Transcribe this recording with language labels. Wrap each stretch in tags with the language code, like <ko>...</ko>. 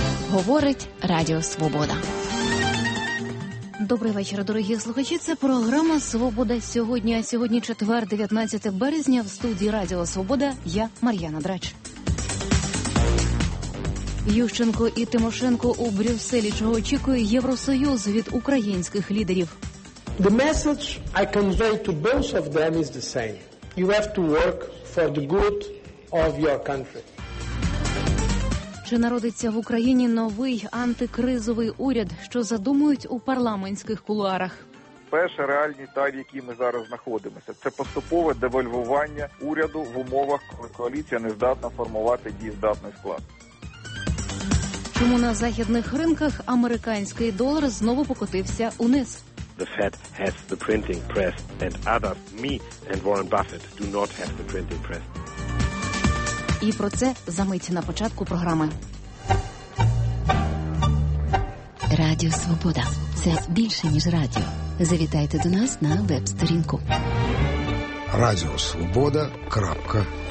<uk>Говорить Радіо Свобода. Добрий вечір, дорогі слухачі. Це програма «Свобода сьогодні», а сьогодні четвер, 19 березня, в студії Радіо Свобода. Я Мар'яна Драч. Ющенко і Тимошенко у Брюсселі. Чого очікує Євросоюз від українських лідерів?</uk> <en>The message I convey to both of them is the same. You have to work for the good of your country.</en> <uk>Чи народиться в Україні новий антикризовий уряд, що задумують у парламентських кулуарах? Перша реальність та, в якій ми зараз знаходимося, це поступове девальвування уряду в умовах, коли коаліція не здатна формувати дієздатний склад. Чому на західних ринках американський долар знову покотився униз?</uk> <en>The Fed has the printing press and others, me and Warren Buffett, do not have the printing press.</en> <uk>І про це за мить на початку програми. Радіо Свобода – це більше, ніж радіо. Завітайте до нас на веб-сторінку. radiosvoboda.ua.</uk>